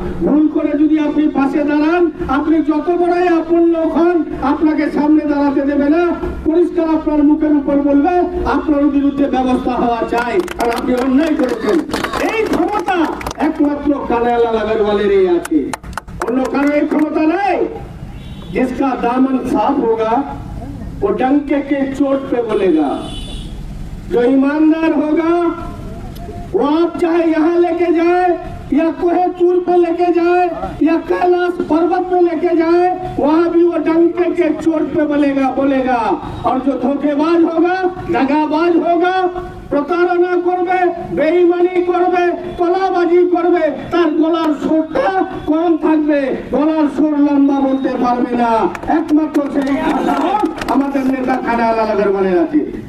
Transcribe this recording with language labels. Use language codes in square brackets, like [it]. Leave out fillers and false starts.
[bn] ভুল করে যদি আপনি পাশে দাঁড়ান, আপনি যত বড়ই আপন লোক হন আপনাকে সামনে দাঁড়াতে দেবে না, পরিষ্কার আপনার মুখের উপর বলবে আপনার বিরুদ্ধে ব্যবস্থা হওয়া চাই, আর আপনি অন্যায় করেছেন। এই ক্ষমতা একমাত্র কানাইলাল আগরওয়ালেরই আছে, অন্য কারো এই ক্ষমতা নেই। [hi] जिसका दामन साफ होगा वो डंके के चोट पे बोलेगा, जो ईमानदार होगा वो आप चाहे यहाँ लेके जाए या कोहे चूर पे लेके जाए या कैलाश पर्वत पे लेके जाए, वहां भी वो डंके के चोट पे बोलेगा बोलेगा। और जो धोखेबाज होगा, दगाबाज होगा, [bn] প্রতারণা করবে, বেঈমানি করবে, তলাবাজি করবে, তার গলার সুরটা কম থাকবে, গলার সুর লম্বা বলতে পারবে না। একমাত্র সেই আমাদের নেতা কানাইলাল আগরওয়ালের আছে।